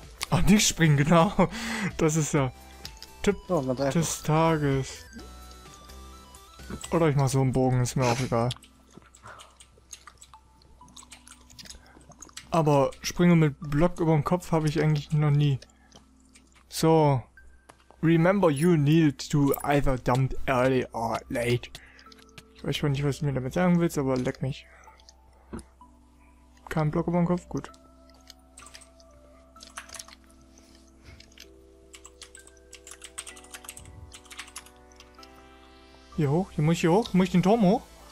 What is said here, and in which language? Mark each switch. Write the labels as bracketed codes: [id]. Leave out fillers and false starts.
[de] Ach, nicht springen, genau. Das ist ja Tipp des Tages. Oder ich mach so einen Bogen, ist mir auch egal. Aber springen mit Block über dem Kopf habe ich eigentlich noch nie. So. [en] Remember, you need to either dump early or late. [de] Ich weiß schon nicht, was du mir damit sagen willst, aber leck mich. Kein Block über dem Kopf? Gut. Hier hoch, hier muss ich hier hoch, muss ich den Turm hoch?